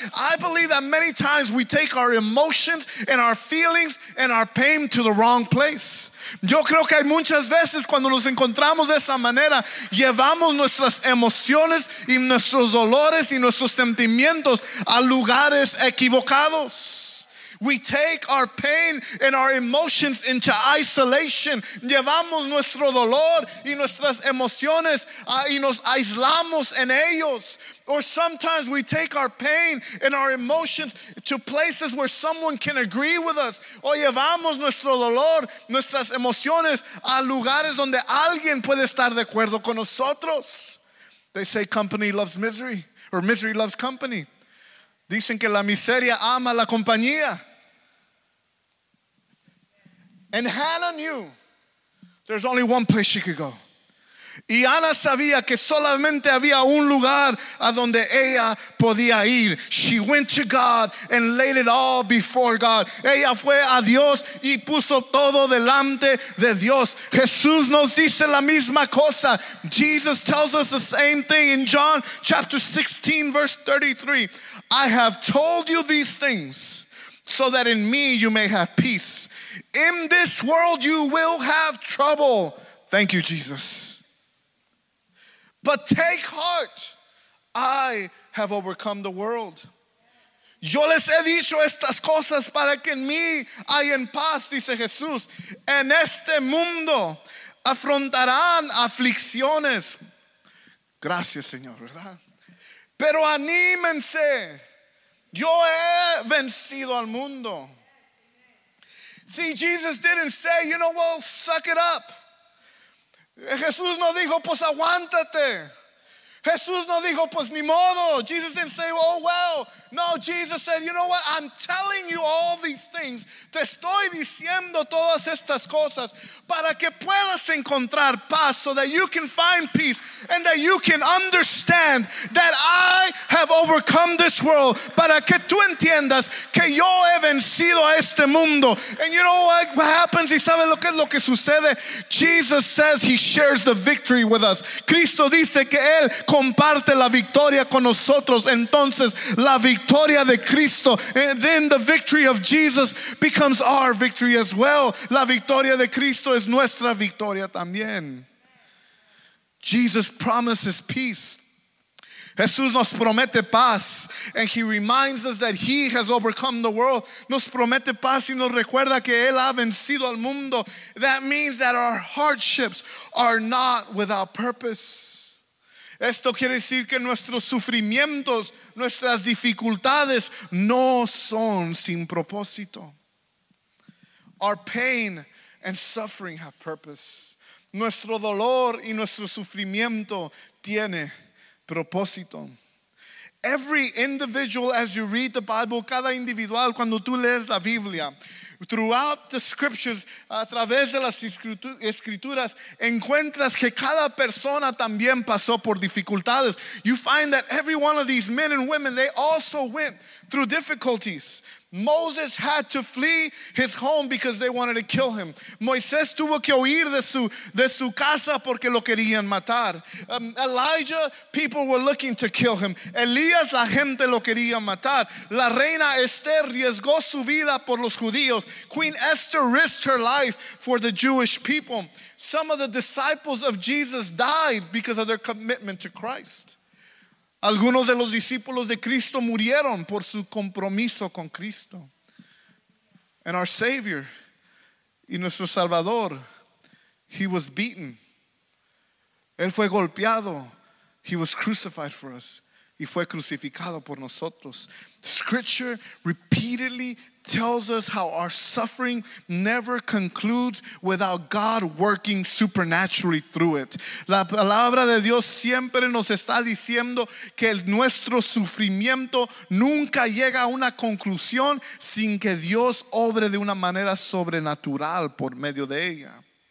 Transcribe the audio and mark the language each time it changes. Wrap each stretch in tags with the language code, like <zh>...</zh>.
<en>I believe that many times we take our emotions and our feelings and our pain to the wrong place.</en> <es>Yo creo que hay muchas veces cuando nos encontramos de esa manera, llevamos nuestras emociones y nuestros dolores y nuestros sentimientos a lugares equivocados.</es> <en>We take our pain and our emotions into isolation.</en> <es>Llevamos nuestro dolor y nuestras emociones y nos aislamos en ellos.</es> <en>Or sometimes we take our pain and our emotions to places where someone can agree with us.</en> <es>O llevamos nuestro dolor, nuestras emociones a lugares donde alguien puede estar de acuerdo con nosotros.</es> <en>They say company loves misery, or misery loves company.</en> <es>Dicen que la miseria ama la compañía.</es> <en>And Hannah knew there's only one place she could go.</en> <es>Y Ana sabía que solamente había un lugar a donde ella podía ir.</es> <en>She went to God and laid it all before God.</en> <es>Ella fue a Dios y puso todo delante de Dios. Jesús nos dice la misma cosa.</es> <en>Jesus tells us the same thing in John chapter 16, verse 33. I have told you these things so that in me you may have peace. In this world you will have trouble. Thank you, Jesus. But take heart, I have overcome the world.</en> <es>Yo les he dicho estas cosas para que en mí hayan paz, dice Jesús. En este mundo afrontarán aflicciones. Gracias, Señor, ¿verdad? Pero anímense, yo he vencido al mundo.</es> <en>See, Jesus didn't say, you know, well, suck it up.</en> <es>Jesús no dijo, pues aguántate. Jesús no dijo, pues ni modo.</es> <en>Jesus didn't say, oh well. No, Jesus said, you know what? I'm telling you all these things.</en> <es>Te estoy diciendo todas estas cosas para que puedas encontrar paz,</es> <en>so that you can find peace and that you can understand that I have overcome this world. Para que tú entiendas que yo he vencido a este mundo. And you know what happens?</en> <es>¿Y sabes lo que es lo que sucede?</es> <en>Jesus says he shares the victory with us.</en> <es>Cristo dice que él comparte la victoria con nosotros. Entonces la victoria de Cristo,</es> <en>and then the victory of Jesus becomes our victory as well.</en> <es>La victoria de Cristo es nuestra victoria también.</es> <en>Jesus promises peace.</en> <es>Jesús nos promete paz,</es> <en>and he reminds us that he has overcome the world.</en> <es>Nos promete paz y nos recuerda que él ha vencido al mundo.</es> <en>That means that our hardships are not without purpose.</en> <es>Esto quiere decir que nuestros sufrimientos, nuestras dificultades, no son sin propósito.</es> <en>Our pain and suffering have purpose.</en> <es>Nuestro dolor y nuestro sufrimiento tiene propósito.</es> <en>Every individual, as you read the Bible,</en> <es>cada individual, cuando tú lees la Biblia,</es> <en>throughout the scriptures,</en> <es>a través de las escrituras, encuentras que cada persona también pasó por dificultades.</es> <en>You find that every one of these men and women, they also went through difficulties. Moses had to flee his home because they wanted to kill him.</en> <es>Moisés tuvo que huir de su casa porque lo querían matar.</es> <en>Elijah, people were looking to kill him.</en> <es>Elías, la gente lo quería matar. La reina Esther riesgó su vida por los judíos.</es> <en>Queen Esther risked her life for the Jewish people. Some of the disciples of Jesus died because of their commitment to Christ.</en> <es>Algunos de los discípulos de Cristo murieron por su compromiso con Cristo.</es> <en>And our Savior,</en> <es>y nuestro Salvador,</es> <en>he was beaten.</en> <es>Él fue golpeado.</es> <en>He was crucified for us.</en> <es>Y fue crucificado por nosotros.</es> <en>Scripture repeatedly tells us how our suffering never concludes without God working supernaturally through it.</en> <es>La palabra de Dios siempre nos está diciendo que nuestro sufrimiento nunca llega a una conclusión sin que Dios obre de una manera sobrenatural por medio de ella.</es>